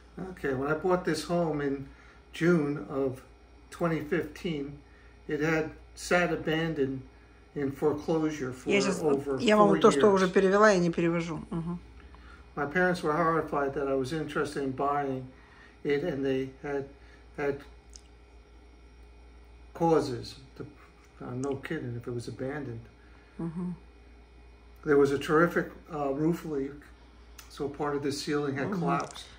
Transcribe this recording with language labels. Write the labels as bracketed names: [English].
[English] Okay, when I bought this home in June of 2015, it had sat abandoned in foreclosure for over 4 years. [Russian] Я вам то, что уже перевела, я не перевожу. [English] My parents were horrified that I was interested in buying it, and they had causes. No kidding, if it was abandoned. There was a terrific roof leak, so part of the ceiling had collapsed.